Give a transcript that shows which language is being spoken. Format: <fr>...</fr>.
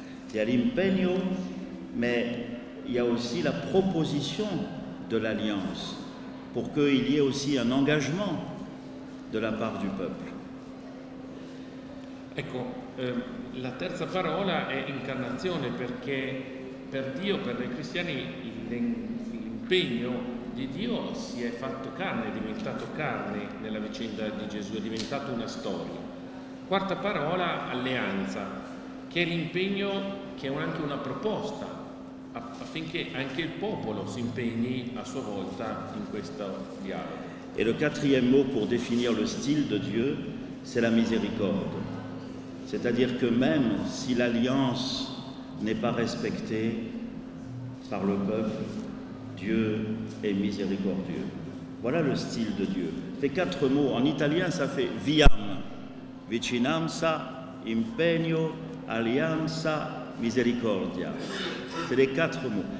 <fr>Il y a l'impegno, mais il y a aussi la proposition de l'alliance pour qu'il y ait aussi un engagement de la part du peuple.</fr> <it>Ecco, la terza parola è incarnazione, perché per Dio, per noi cristiani, l'impegno di Dio si è fatto carne, è diventato carne nella vicenda di Gesù, è diventato una storia. Quarta parola, alleanza, che è l'impegno, che è anche una proposta, affinché anche il popolo si impegni a sua volta in questo dialogo.</it> <fr>E il quatrième mot pour définir le style de Dieu, c'est la miséricorde. C'est-à-dire que même si l'alliance n'est pas respectée par le peuple, Dieu est miséricordieux. Voilà le style de Dieu. C'est quatre mots. En italien, ça fait viam, vicinanza, impegno, alianza, misericordia. C'est les quatre mots.</fr>